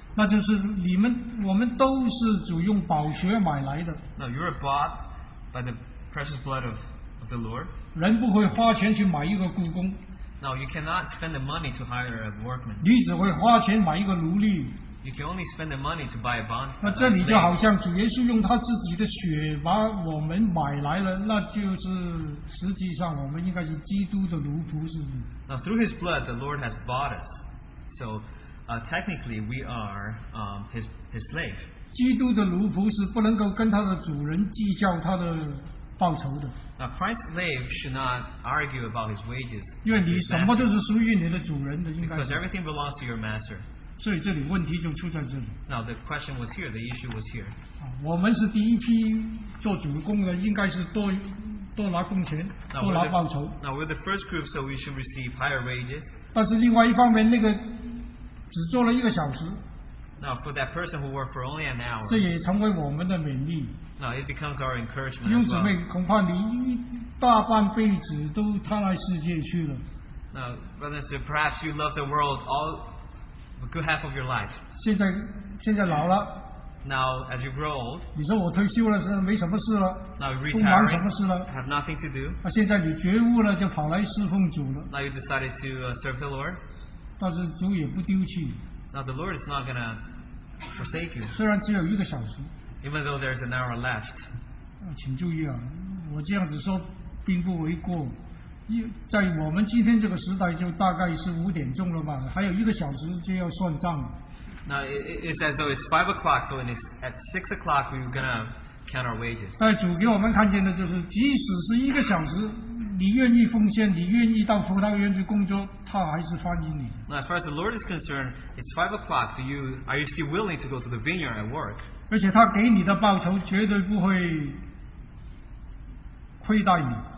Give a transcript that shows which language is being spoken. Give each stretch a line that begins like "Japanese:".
Chinese: 那就是你们，我们都是主用宝血买来的。
English: No, you are bought by the precious blood of the Lord.
Chinese: 人不会花钱去买一个雇工。
English: No, you cannot spend the money to hire a workman.
Chinese: 你只会花钱买一个奴隶。
English: You can only spend the money to buy a bond.
Chinese: 那这里就好像主耶稣用他自己的血把我们买来了，那就是实际上我们应该是基督的奴仆，是不是？
English: Now through His blood, the Lord has bought us. So technically we are his slave.
Chinese: 基督的奴仆是不能够跟他的主人计较他的报酬的。
English: Now Christ's slave should not argue about his wages.
Chinese: 因为你什么都是属于你的主人的，应该。
English: Because everything belongs to your master. Now the question was here, the issue was here.
Chinese: 我们是第一批做主工的，应该是多拿工钱，多拿报酬。
English: Now we're the first group, so we should receive higher wages.
Chinese: 但是另外一方面，那个只做了一个小时。
English: Now for that person who worked for only an hour.
Chinese: 这也成为我们的勉励。
English: Now it becomes our encouragement.
Chinese: 弟兄姊妹，恐怕你一大半辈子都踏来世界去了。
English: Now, brothers, perhaps you love the world all a good half of your life.
Chinese: 现在老了。
English: Now, as you grow old,
Chinese: 你说我退休了是没什么事了,
English: now you retire, have nothing to do.
Chinese: 现在你觉悟了,
English: now you decided to serve the Lord.
Chinese: 但是主也不丢弃,
English: now the Lord is not going to forsake you.
Chinese: 虽然只有一个小时,
English: even though there's an hour left.
Chinese: 请注意啊, 我这样子说并不为过, 在我们今天这个时代就大概是5点钟了吧, 还有一个小时就要算账。
English: Now it's as though it's 5 o'clock, so at 6 o'clock we're gonna count our wages.
Chinese: 但主给我们看见的就是，即使是一个小时，你愿意奉献，你愿意到葡萄园去工作，他还是欢迎你。
English: Now as far as the Lord is concerned, it's 5 o'clock. Are you still willing to go to the vineyard at work?
Chinese: 而且他给你的报酬绝对不会亏待你。